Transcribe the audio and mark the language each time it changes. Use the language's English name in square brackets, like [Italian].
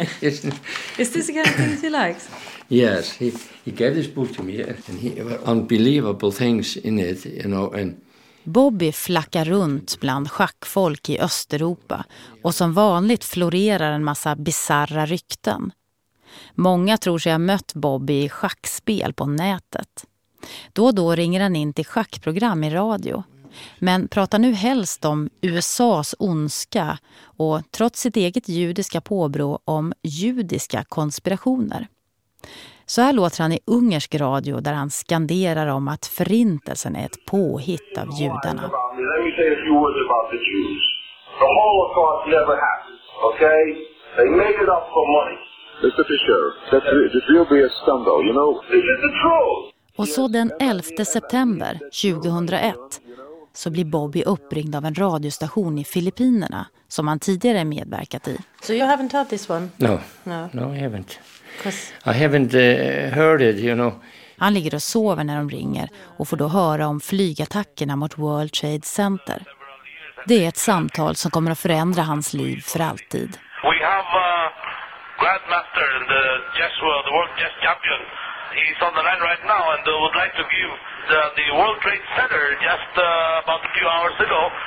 [English] Is this the kind of things he likes? Yes, he gave this book to me and he had unbelievable things in it, you know. And [Swedish] Bobby flackar runt bland schackfolk i Östeuropa och som vanligt florerar en massa bizarra rykten. Många tror sig ha mött Bobby i schackspel på nätet. Då och då ringer han in till schackprogram i radio. Men pratar nu helst om USAs ondska och trots sitt eget judiska påbrå om judiska konspirationer. Så här låter han i ungersk radio där han skanderar om att förintelsen är ett påhitt av judarna. [English] Let me say a few words about the Jews. The Holocaust never happened, okay? They made it up for money. Mr. Fisher, this will be a scandal, you know? This is the truth! [Swedish] Och så den 11 september 2001 så blir Bobby uppringd av en radiostation i Filippinerna som han tidigare medverkat i. [English] So you haven't heard this one? No. No, I haven't. I haven't heard it, you know. [Swedish] Han ligger och sover när de ringer och får då höra om flygattackerna mot World Trade Center. Det är ett samtal som kommer att förändra hans liv för alltid. [English] We have a grandmaster in the chess world, the world chess champion. He's on the line right now and would like to give the World Trade Center just about a few hours ago.